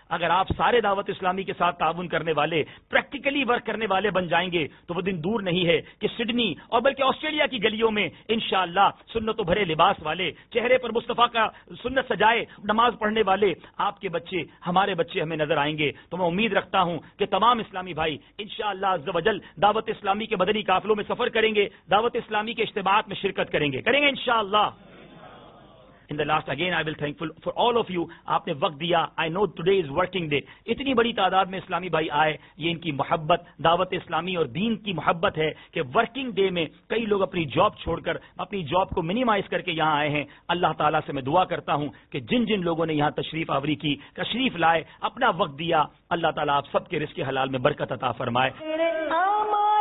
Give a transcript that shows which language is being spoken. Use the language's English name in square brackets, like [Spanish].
[Urdu] اگر آپ سارے دعوت اسلامی کے ساتھ تعاون کرنے والے, پریکٹیکلی ورک کرنے والے بن جائیں گے تو وہ دن دور نہیں ہے کہ سڈنی اور بلکہ آسٹریلیا کی گلیوں میں انشاءاللہ سنت و بھرے لباس والے, چہرے پر مصطفیٰ کا سنت سجائے نماز پڑھنے والے آپ کے بچے, ہمارے بچے ہمیں نظر آئیں گے. تو میں امید رکھتا ہوں کہ تمام اسلامی بھائی انشاءاللہ عز و جل دعوت اسلامی کے مدنی قافلوں میں سفر کریں گے, دعوت اسلامی کے اجتماعات میں شرکت کریں گے انشاءاللہ. [English] In the last, again, I will thankful for all of you. [Urdu] آپ نے وقت دیا. [English] I know today is working day. [Urdu] اتنی بڑی تعداد میں اسلامی بھائی آئے, یہ ان کی محبت دعوت اسلامی اور دین کی محبت ہے کہ ورکنگ ڈے میں کئی لوگ اپنی جاب چھوڑ کر, اپنی جاب کو منیمائز کر کے یہاں آئے ہیں. اللہ تعالیٰ سے میں دعا کرتا ہوں کہ جن جن لوگوں نے یہاں تشریف آوری کی, تشریف لائے, اپنا وقت دیا, اللہ تعالیٰ آپ سب کے رزق حلال میں برکت عطا فرمائے.